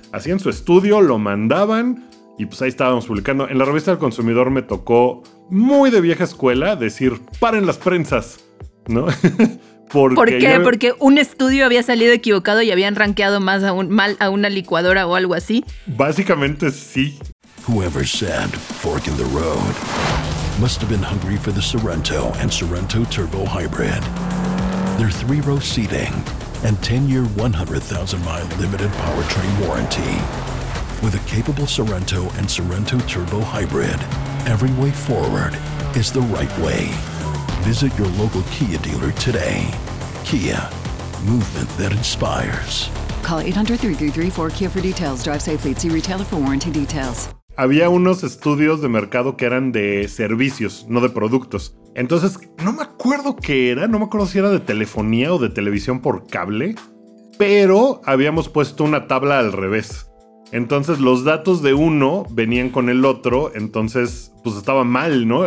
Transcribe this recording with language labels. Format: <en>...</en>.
<es>Hacían su estudio, lo mandaban y pues ahí estábamos publicando. En la revista del consumidor me tocó, muy de vieja escuela, decir, paren las prensas, ¿no? Porque ¿por qué? Porque un estudio había salido equivocado y habían rankeado más mal a una licuadora o algo así. Básicamente sí.</es> <en>Whoever said fork in the road must have been hungry for the Sorrento and Sorrento Turbo Hybrid. Their three-row seating and 10-year 100,000-mile limited powertrain warranty. With a capable Sorrento and Sorrento Turbo Hybrid, every way forward is the right way. Visit your local Kia dealer today. Kia, movement that inspires. Call 800-333-4KIA for details. Drive safely. See retailer for warranty details.</en> <es>Había unos estudios de mercado que eran de servicios, no de productos. Entonces, no me acuerdo qué era. No me acuerdo si era de telefonía o de televisión por cable. Pero habíamos puesto una tabla al revés. Entonces los datos de uno venían con el otro, entonces pues estaba mal, ¿no?</es>